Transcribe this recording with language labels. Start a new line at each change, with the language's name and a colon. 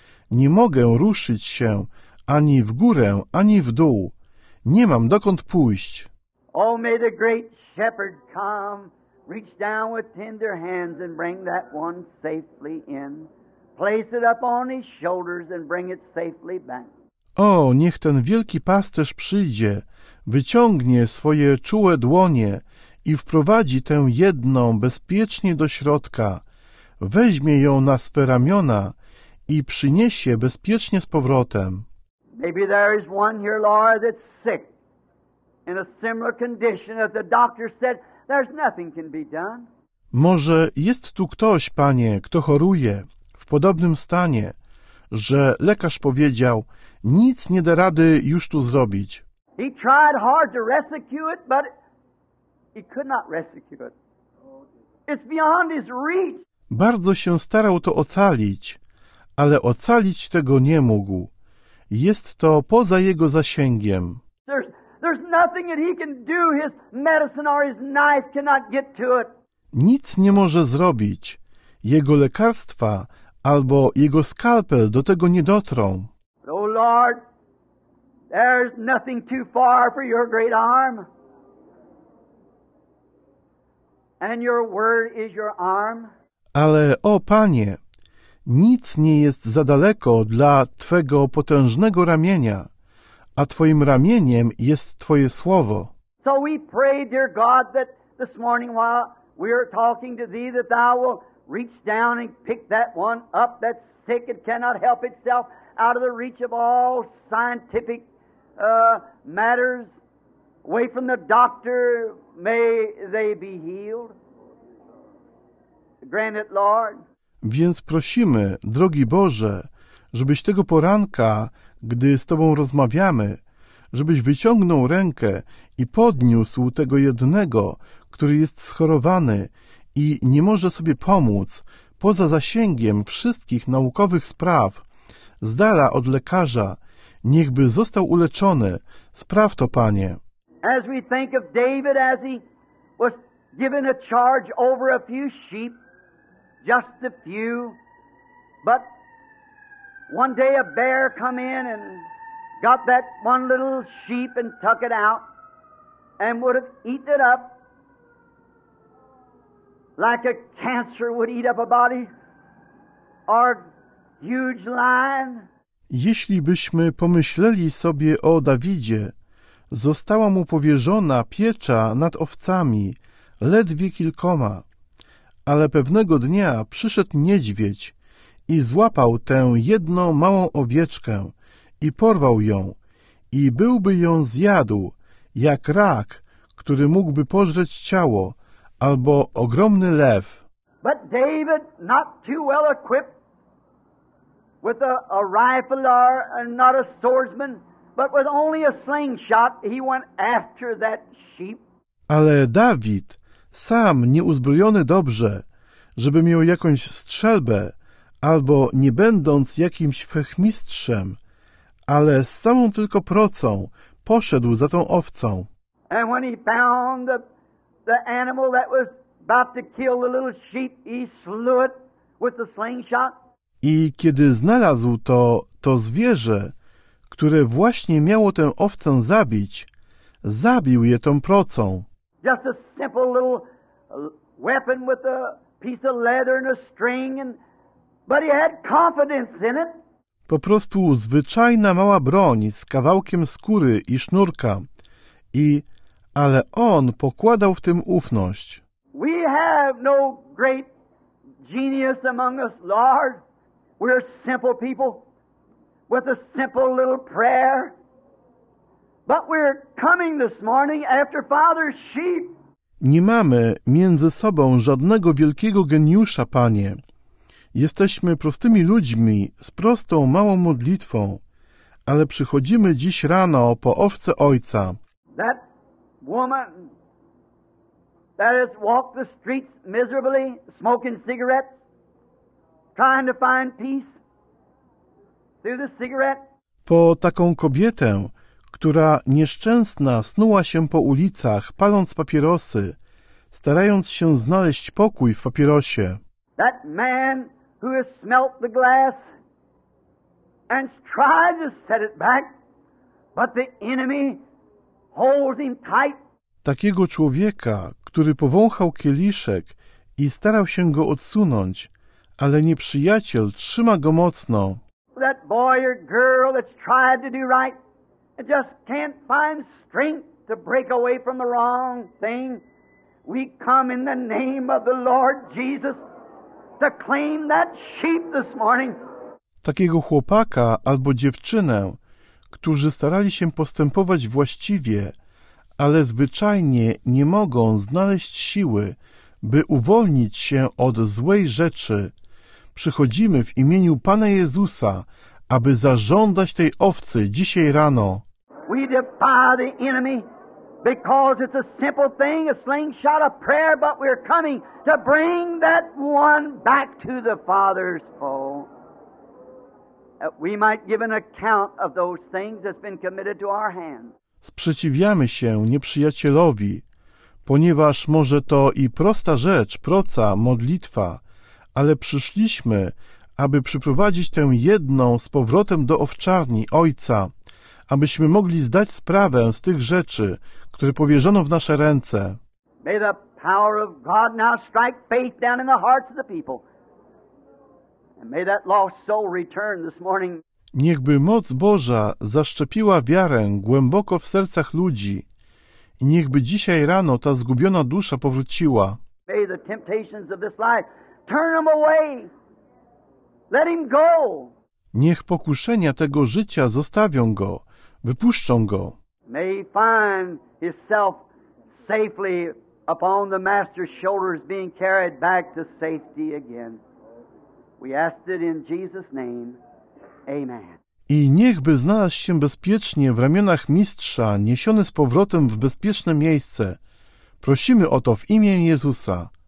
Polish: Nie mogę ruszyć się ani w górę, ani w dół. Nie mam dokąd pójść.
English: Oh, may the great shepherd come, reach down with tender hands and bring that one safely in. Place it up on his shoulders and bring it safely back.
Polish: O, niech ten wielki pasterz przyjdzie, wyciągnie swoje czułe dłonie i wprowadzi tę jedną bezpiecznie do środka, weźmie ją na swe ramiona i przyniesie bezpiecznie z powrotem.
English: Maybe there is one here, Laura, that's sick in a similar condition that the doctor said there's nothing can be done.
Polish: Może jest tu ktoś, panie, kto choruje w podobnym stanie, że lekarz powiedział, nic nie da rady już tu zrobić.
English: He tried hard to rescue it, but he could not rescue it. It's beyond his reach.
Polish: Bardzo się starał to ocalić, ale ocalić tego nie mógł. Jest to poza jego zasięgiem.
English: There's nothing that he can do. His medicine or his knife cannot get to it.
Polish: Nic nie może zrobić. Jego lekarstwa albo jego skalpel do tego nie dotrą.
English: Oh Lord, there's nothing too far for your great arm. And your word is your arm.
Polish: Ale o Panie, nic nie jest za daleko dla Twego potężnego ramienia, a Twoim ramieniem jest Twoje słowo.
English: So we pray, dear God, that this morning while we are talking to Thee, that Thou will reach down and pick that one up that's sick and cannot help itself out of the reach of all scientific matters, away from the doctor, may they be healed. Grant it, Lord.
Polish: Więc prosimy, drogi Boże, żebyś tego poranka, gdy z Tobą rozmawiamy, żebyś wyciągnął rękę i podniósł tego jednego, który jest schorowany i nie może sobie pomóc, poza zasięgiem wszystkich naukowych spraw, z dala od lekarza, niechby został uleczony. Spraw to, Panie.
English: As we think of David, as he was given a charge over a few sheep, just a few, but one day a bear come in and got that one little sheep and took it out and would have eaten it up like a cancer would eat up a body or a huge lion.
Polish: Jeśli byśmy pomyśleli sobie o Dawidzie, została mu powierzona piecza nad owcami, ledwie kilkoma. Ale pewnego dnia przyszedł niedźwiedź i złapał tę jedną małą owieczkę i porwał ją i byłby ją zjadł jak rak, który mógłby pożreć ciało albo ogromny lew.
English: But David, not too well equipped with a rifle or not a swordsman, but with only a slingshot, he went after that sheep.
Polish: Ale Dawid sam nieuzbrojony dobrze, żeby miał jakąś strzelbę, albo nie będąc jakimś fechmistrzem, ale z samą tylko procą poszedł za tą owcą.
English: And when he found the animal that was about to kill the little sheep, he slew it with the slingshot.
Polish: I kiedy znalazł to zwierzę, które właśnie miało tę owcę zabić, zabił je tą procą.
English: Just a simple little weapon with a piece of leather and a string, and but he had confidence in it.
Polish: Po prostu zwyczajna mała broń z kawałkiem skóry i sznurka, ale on pokładał w tym ufność.
English: We have no great genius among us, Lord. We're simple people with a simple little prayer. But we're coming this morning after Father's sheep.
Polish: Nie mamy między sobą żadnego wielkiego geniusza, Panie. Jesteśmy prostymi ludźmi z prostą, małą modlitwą, ale przychodzimy dziś rano po owce Ojca.
English: That woman that has walked the streets miserably, smoking cigarettes, trying to find peace through the cigarette.
Polish: Po taką kobietę, która nieszczęsna snuła się po ulicach, paląc papierosy, starając się znaleźć pokój w papierosie.
English: That man who has smelt the glass and tried to set it back, but the enemy holds him tight.
Polish: Takiego człowieka, który powąchał kieliszek i starał się go odsunąć, ale nieprzyjaciel trzyma go mocno.
English: That boy or girl that's tried to do right and just can't find strength to break away from the wrong thing. We come in the name of the Lord Jesus to claim that sheep this morning.
Polish: Takiego chłopaka albo dziewczynę, którzy starali się postępować właściwie, ale zwyczajnie nie mogą znaleźć siły, by uwolnić się od złej rzeczy, przychodzimy w imieniu Pana Jezusa, aby zażądać tej owcy dzisiaj rano.
English: We defy the enemy because it's a simple thing, a slingshot of prayer, but we're coming to bring that one back to the Father's fold. That we might give an account of those things that's been committed to our hands.
Polish: Sprzeciwiamy się nieprzyjacielowi, ponieważ może to i prosta rzecz, proca, modlitwa, ale przyszliśmy, aby przyprowadzić tę jedną z powrotem do owczarni Ojca, abyśmy mogli zdać sprawę z tych rzeczy, które powierzono w nasze ręce.
English: May the power of God now strike faith down in the hearts of the people. And may that lost soul return this morning.
Polish: Niechby moc Boża zaszczepiła wiarę głęboko w sercach ludzi. I niechby dzisiaj rano ta zgubiona dusza powróciła.
English: May the temptations of this life turn him away. Let him go.
Polish: Niech pokuszenia tego życia zostawią go, wypuszczą go.
English: May he find himself safely upon the master's shoulders being carried back to safety again. We ask it in Jesus' name. Amen.
Polish: I niechby znalazł się bezpiecznie w ramionach Mistrza, niesiony z powrotem w bezpieczne miejsce. Prosimy o to w imię Jezusa.